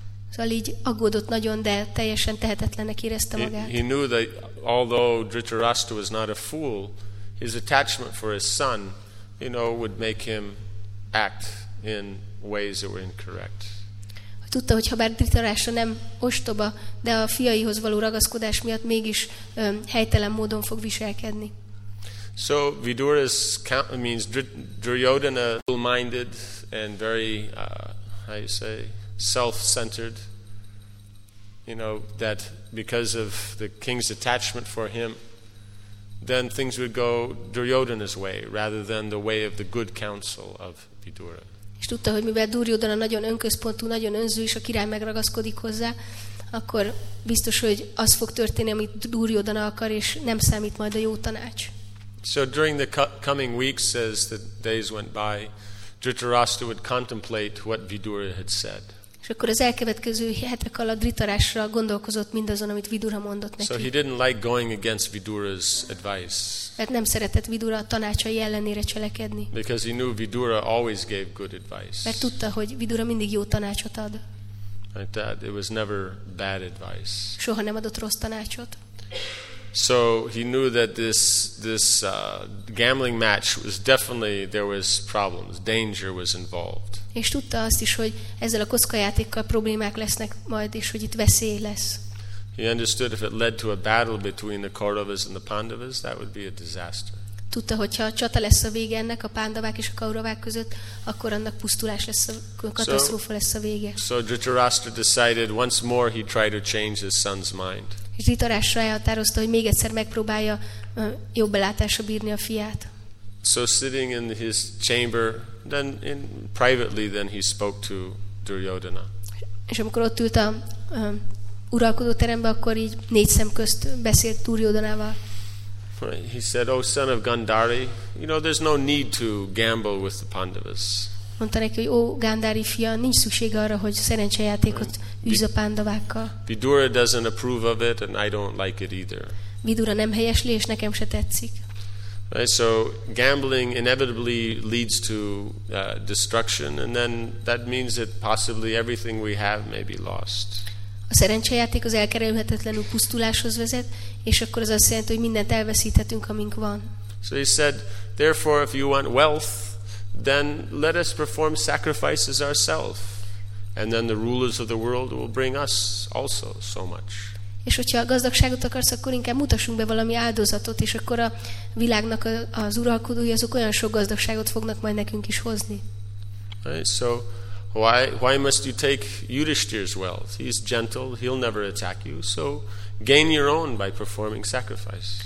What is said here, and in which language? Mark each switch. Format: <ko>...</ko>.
<hu>Szóval így aggódott nagyon, de teljesen tehetetlennek érezte magát.</hu> <en>He knew that although Dhritarashtra was not a fool, his attachment for his son, you know, would make him act in ways that were incorrect.</en> <hu>Tudta, hogy ha bár Dhritarashtra nem ostoba, de a fiaihoz való ragaszkodás miatt mégis helytelen módon fog viselkedni.</hu> <en>So Vidur is means Duryodhana, dual-minded and very how you say self-centered. You know that because of the king's attachment for him, then things would go Duryodhana's way rather than the way of the good counsel of Vidura.</en> <hu>És tudta, hogy mivel Duryodhana nagyon önközpontú, nagyon önző, és a király megragaszkodik hozzá, akkor biztos, hogy az fog történni, amit Duryodhana akar, és nem számít majd a jó tanács.</hu> <en>So during the coming weeks, as the days went by, Dhritarashtra would contemplate what Vidura had said.</en> <hu>És akkor az elkövetkező hetek alatt Dhritarashtra gondolkozott mindazon, amit Vidura mondott neki.</hu> <en>So he didn't like going against Vidura's advice.</en> <hu>Mert nem szeretett Vidura tanácsai ellenére cselekedni.</hu> <en>Because he knew Vidura always gave good advice.</en> <hu>Mert tudta, hogy Vidura mindig jó tanácsot ad.</hu> <en>Like that, it was never bad advice.</en> <hu>Soha nem adott rossz tanácsot.</hu> <en>So he knew that this gambling match was definitely there was problems, danger was involved.</en> <hu>És tudta azt is, hogy ezzel a kockajátékkal problémák lesznek majd, és hogy itt veszély lesz.</hu> <en>He understood if it led to a battle between the Kauravas and the Pandavas, that would be a disaster.</en> <hu>Tudta, hogyha csata lesz a vége ennek a Pándavák és a Kauravák között, akkor annak pusztulás lesz, a katasztrófa lesz a vége.</hu> <en>So Dhritarashtra decided once more he tried to change his son's mind.</en> <hu>És Dhritarashtra elhatározta, hogy még egyszer megpróbálja jobb belátásra bírni a fiát.</hu> <en>So sitting in his chamber, then in privately, then he spoke to Duryodhana.</en> <hu>És amikor ott ült a uralkodó terembe, akkor így négy szem közt beszélt Duryodhanával.</hu> <en>He said, "Oh, son of Gandhari, you know there's no need to gamble with the Pandavas."</en> <hu>Mondta neki, hogy ó, Gandhari fia, nincs szükség arra, hogy szerencsejátékot űz a Pandavákkal.</hu> <en>Vidura doesn't approve of it, and I don't like it either.</en> <hu>Vidura nem helyesli, és nekem se tetszik.</hu> <en>Right, so gambling inevitably leads to destruction, and then that means that possibly everything we have may be lost.</en> <hu>A szerencsejáték az elkerülhetetlenül pusztuláshoz vezet, és akkor az azt jelenti, hogy mindent elveszíthetünk, amink van.</hu> <en>So he said, therefore, if you want wealth, then let us perform sacrifices ourselves, and then the rulers of the world will bring us also so much.</en> <hu>És hogyha a gazdagságot akarsz, akkor inkább mutassunk be valami áldozatot, és akkor a világnak az uralkodói azok olyan sok gazdagságot fognak majd nekünk is hozni.</hu> <en>Right, so why must you take Yudhishthira's wealth? He's gentle, he'll never attack you, so gain your own by performing sacrifice.</en>